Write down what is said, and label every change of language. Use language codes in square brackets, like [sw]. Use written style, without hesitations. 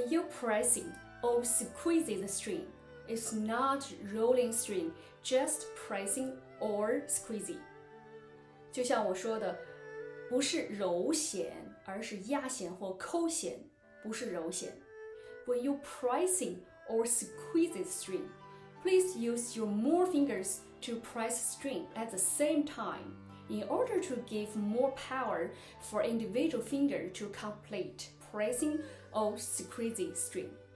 [en] Pressing or squeezing the string. It's not rolling string, just pressing or squeezing. [zh] 就像我说的，不是揉弦，而是压弦或抠弦，不是揉弦。 [en] When you pressing or squeezing the string, please use your more fingers to press string at the same time in order to give more power for individual finger to complete. Pressing or squeezing string.